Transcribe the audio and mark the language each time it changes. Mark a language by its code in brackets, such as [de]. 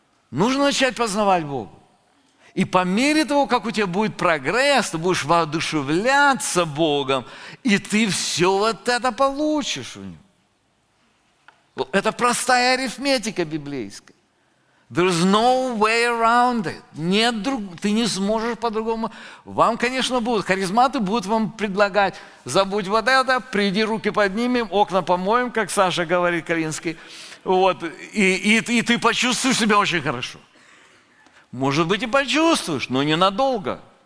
[ru] Нужно начать познавать Бога. И по мере того, как у тебя будет прогресс, ты будешь воодушевляться Богом, и ты все вот это получишь у Него. Это простая арифметика библейская. [en] There is no way around it. [ru] Нет другого. Ты не сможешь по-другому. Вам, конечно, будут. Харизматы будут вам предлагать. Забудь вот это, приди, руки поднимем, окна помоем, как Саша говорит, Калинский. Вот. И ты почувствуешь себя очень хорошо. Может быть, и почувствуешь, но ненадолго.